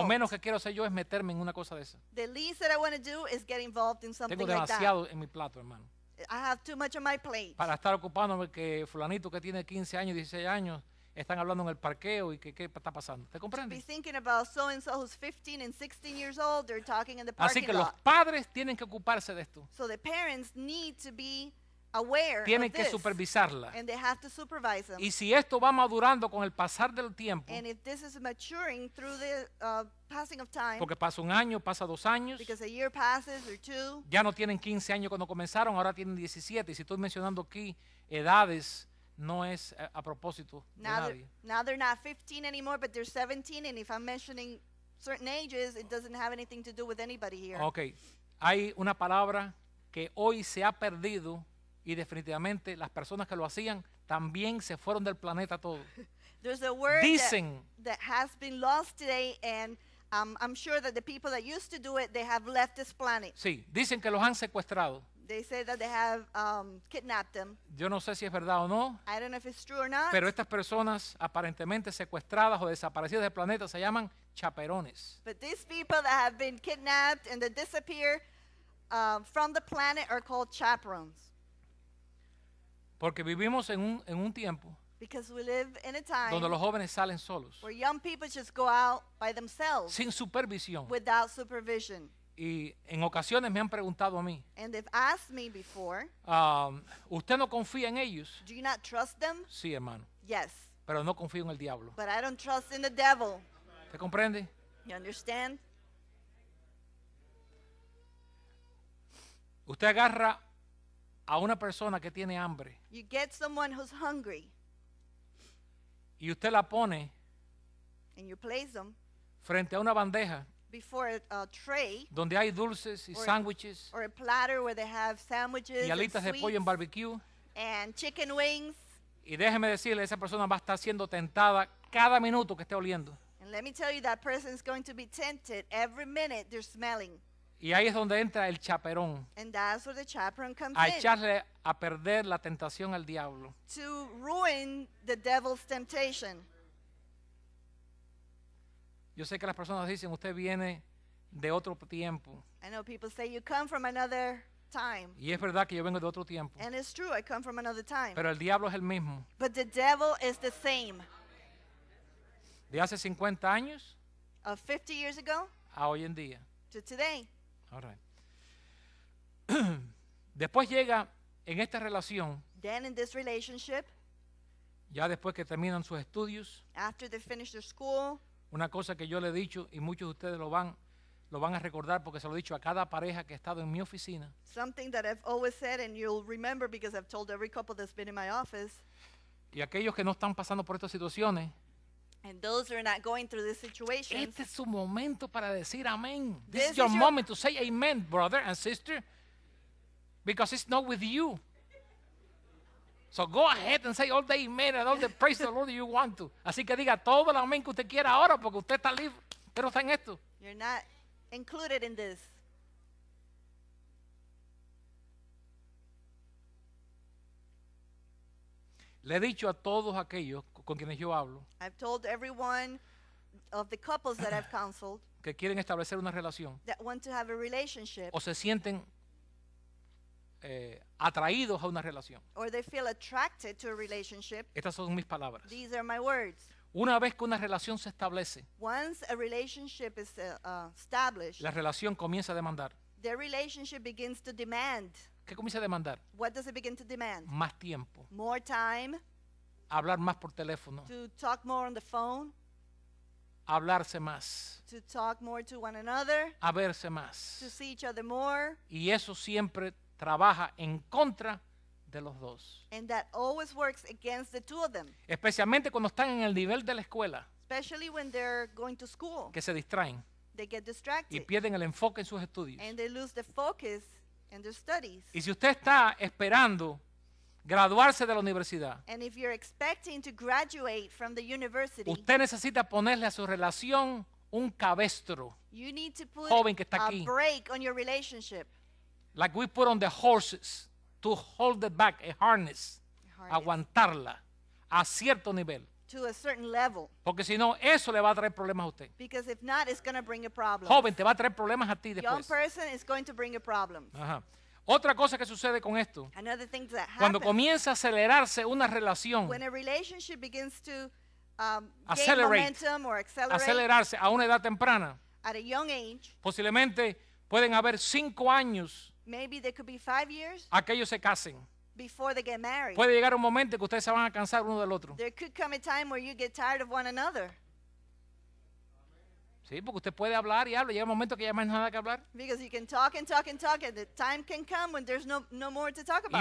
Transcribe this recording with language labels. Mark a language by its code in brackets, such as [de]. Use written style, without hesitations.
[es] Lo menos que quiero hacer yo es meterme en una cosa de esa. [en] The least that I want to do is get involved in something [es] tengo demasiado [en] like that. [es] En mi plato, hermano. [en] I have too much on my plate. [es] Para estar ocupándome que fulanito que tiene 15 años, 16 años están hablando en el parqueo y qué está pasando. ¿Te comprende? [en] Be thinking about so and so who's 15 and 16 years old, they're talking in the parking lot. [es] Así que [en] lot. [es] Los padres tienen que ocuparse de esto. [en] So the parents need to be aware of this. [es] Tienen que supervisarla. [en] And they have to supervise them. [es] Y si esto va madurando con el pasar del tiempo. [en] And if this is maturing through the passing of time. [es] Porque pasa un año, pasa dos años. [en] Because a year passes or two. [es] Ya no tienen 15 años cuando comenzaron, ahora tienen 17. Y si estoy mencionando aquí edades, no es a propósito de nadie. [en] Now they're not 15 anymore, but they're 17. And if I'm mentioning certain ages, it doesn't have anything to do with anybody here. Okay. [es] Hay una palabra que hoy se ha perdido. Y definitivamente las personas que lo hacían también se fueron del planeta todo. [en] There's a word [es] dicen, [en] that has been lost today, and I'm sure that the people that used to do it, they have left this planet. [es] Sí, dicen que los han secuestrado. [en] They say that they have kidnapped them. [es] Yo no sé si es verdad o no. [en] I don't know if it's true or not. [es] Pero estas personas aparentemente secuestradas o desaparecidas del planeta se llaman chaperones. [en] But these people that have been kidnapped and that disappear from the planet are called chaperones. [es] Porque vivimos en un tiempo donde los jóvenes salen solos, [en] where young people just go out by themselves, [es] sin supervisión, [en] without supervision. [es] Y en ocasiones me han preguntado a mí, [en] and they've asked me before, [es] ¿usted no confía en ellos? [en] Do you not trust them? [es] Sí, hermano. [en] Yes. [es] Pero no confío en el diablo. [en] But I don't trust in the devil. [es] ¿Te comprende? [en] You understand? [es] Usted agarra a una persona que tiene hambre. [en] You get someone who's hungry. [es] Y usted la pone. [en] And you place them. [es] Frente a una bandeja. [en] Before a tray. [es] Donde hay dulces y sándwiches. [en] Or a platter where they have sandwiches. [es] Y alitas de pollo en barbecue. [en] And chicken wings. [es] Y déjeme decirle, esa persona va a estar siendo tentada cada minuto que esté oliendo. [en] And let me tell you, that person is going to be tempted every minute they're smelling. [es] Y ahí es donde entra el chaperón. [en] And that's where the chaperon comes [es] a echarle [en] in, [es] a perder la tentación al diablo. [en] To ruin the devil's temptation. [es] Yo sé que las personas dicen, usted viene de otro tiempo. [en] I know people say you come from another time. [es] Y es verdad que yo vengo de otro tiempo. [en] And it's true, I come from another time. [es] Pero el diablo es el mismo. [en] But the devil is the same. [es] De hace 50 años. [en] Of 50 years ago. [es] A hoy en día. [en] To today. All right. [es] Después llega en esta relación. [en] Then in this relationship. [es] Ya después que terminan sus estudios. [en] After they finish their school. [es] Una cosa que yo le he dicho y muchos de ustedes lo van a recordar porque se lo he dicho a cada pareja que ha estado en mi oficina. [en] Something that I've always said and you'll remember because I've told every couple that's been in my office. [es] Y aquellos que no están pasando por estas situaciones. [en] And those are not going through this situation. [es] Este es su momento para decir amén. [en] This is your moment to say amen, brother and sister. Because it's not with you. So go ahead and say all the amen and all the praise the Lord you want to. [es] Así que diga todo el amén que usted quiera ahora porque usted está libre. Pero está en esto. [en] You're not included in this. [es] Le he dicho a todos aquellos con quienes yo hablo. [en] I've told everyone of the couples that I've counseled. [es] Que quieren establecer una relación. [en] That want to have a relationship. [es] O se sienten atraídos a una relación. [en] Or they feel attracted to a relationship. [es] Estas son mis palabras. [en] These are my words. [es] Una vez que una relación se establece. [en] Once a relationship is established. [es] La relación comienza a demandar. [en] The relationship begins to demand. [es] ¿Qué comienza a demandar? [en] What does it begin to demand? [es] Más tiempo. [en] More time. [es] Hablar más por teléfono. [en] To talk more on the phone. [es] Hablarse más. [en] To talk more to one another. [es] A verse más. [en] To see each other more. [es] Y eso siempre trabaja en contra de los dos. [en] And that always works against the two of them. [es] Especialmente cuando están en el nivel de la escuela. [en] Especially when they're going to school. [es] Que se distraen. [en] They get distracted. [es] Y pierden el enfoque en sus estudios. [en] And they lose the focus in their studies. [es] Y si usted está esperando graduarse de la universidad. [en] And if you're expecting to graduate from the university, [es] usted necesita ponerle a su relación un cabestro. [en] You need to put [es] joven que está [en] a [es] aquí. [en] Break on your relationship. Like we put on the horses to hold it back, a harness. [es] Aguantarla a cierto nivel. [en] To a certain level. [es] Porque si no, eso le va a traer problemas a usted. [en] Because if not, it's going to bring a problem. [es] Joven, te va a traer problemas a ti después. [en] Young person is going to bring a problem. [es] Ajá. Otra cosa que sucede con esto. [en] Another thing that happens. [es] Cuando comienza a acelerarse una relación. [en] When a relationship begins to accelerate, gain momentum or accelerate. [es] Acelerarse a una edad temprana. [en] At a young age. [es] Posiblemente pueden haber 5 años. [en] Maybe there could be 5 years. [es] Aquellos se casen. [en] before they get married. [es] Puede llegar un momento que ustedes se van a cansar uno del otro. [en] There could come a time where you get tired of one another. [es] Sí, porque usted puede hablar y habla, llega un momento que ya no hay nada que hablar. [en] Because you can talk and talk and talk, and the time can come when there's no more to talk about.